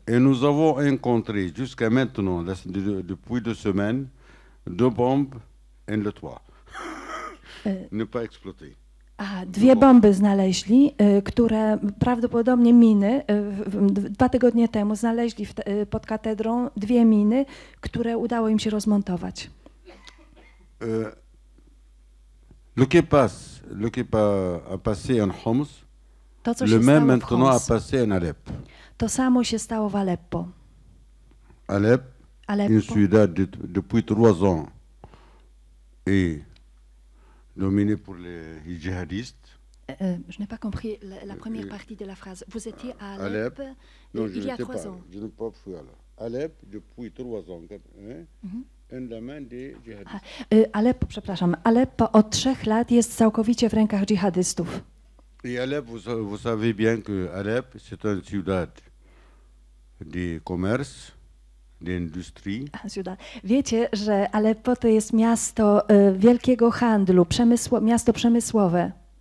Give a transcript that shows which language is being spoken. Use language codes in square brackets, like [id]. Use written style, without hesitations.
[fr] Et nous avons rencontré jusqu'à maintenant depuis deux semaines deux bombes en le toit. Ne pas exploité. [pl] A dwie bomby znaleźli, które prawdopodobnie miny, dwa tygodnie temu znaleźli pod katedrą dwie miny, które udało im się rozmontować. [fr] Le qui passe en Homs, [pl] To, co [fr] le [pl] się [fr] même [pl] stało [fr] maintenant [pl] w Homs, [fr] a passé en Aleppo. [pl] To samo się stało w Aleppo. [fr] Aleppo, une ciudad depuis trois ans et dominée pour les djihadistes. Je n'ai pas compris la première partie de la phrase. Vous étiez à Aleppo il y a trois ans. Je n'ai pas fui alors. Aleppo depuis trois ans. Hein? Mm-hmm. [pl] Aleppo, przepraszam, Aleppo od trzech lat jest całkowicie w rękach dżihadystów. [fr] I Aleppo, vous savez bien que Aleppo, c'est une ciudad de commerce, d'industrie. [pl] Wiecie, że Aleppo to jest miasto wielkiego handlu, miasto przemysłowe.